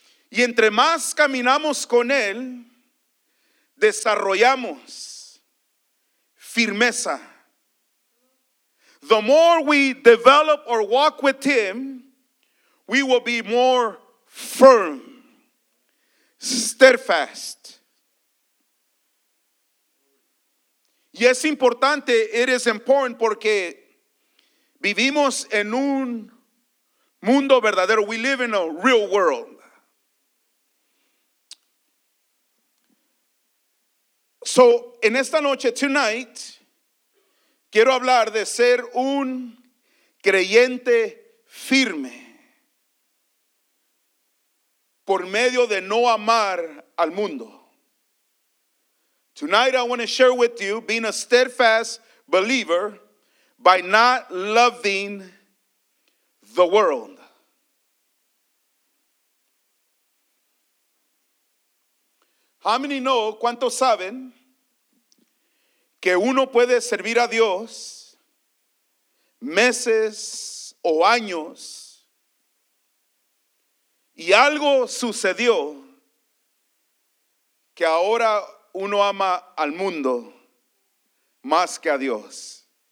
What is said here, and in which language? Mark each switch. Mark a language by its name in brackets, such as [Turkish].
[Spanish] Y entre más caminamos con Él, desarrollamos firmeza. [English] The more we develop or walk with Him, we will be more firm, steadfast. [Spanish] Y es importante, [English] it is important, [Spanish] porque vivimos en un mundo verdadero. [English] We live in a real world. [Spanish] So, en esta noche, tonight, quiero hablar de ser un creyente firme por medio de no amar al mundo. [English] Tonight, I want to share with you being a steadfast believer by not loving the world. How many know, [Spanish] cuántos saben, que uno puede servir a Dios meses o años y algo sucedió que ahora uno ama al mundo más que a Dios?